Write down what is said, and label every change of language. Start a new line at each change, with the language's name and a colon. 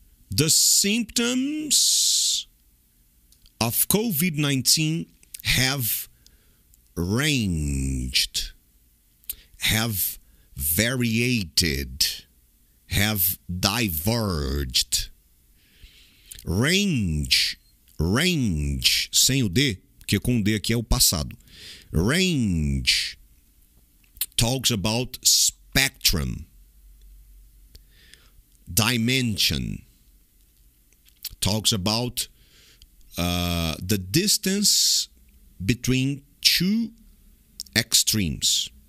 English: The symptoms of COVID-19 have ranged, have variated, have diverged.
Portuguese: Range, sem o D, porque com o D aqui é o passado.
English: Range talks about spectrum, dimension, talks about the distance between two extremes.